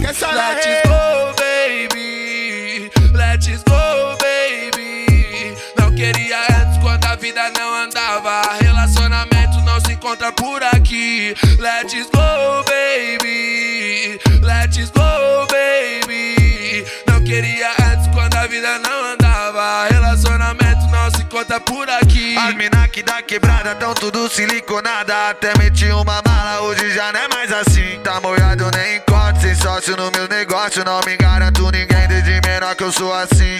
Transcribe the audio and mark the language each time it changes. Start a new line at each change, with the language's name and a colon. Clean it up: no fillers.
English: Let's go, baby, let's go, baby.
Portuguese: Não queria antes quando a vida não andava. Relacionamento não se encontra por aqui.
English: Let's go, baby, let's go, baby.
Portuguese: Não queria antes quando a vida não andava. Relacionamento não se encontra por aqui. As mina que dá quebrada, tão tudo siliconada. Até meti uma mala, hoje já não é mais assim. Tá molhado, nem encosto, sem sócio no meu negócio. Não me garanto ninguém, desde menor que eu sou assim.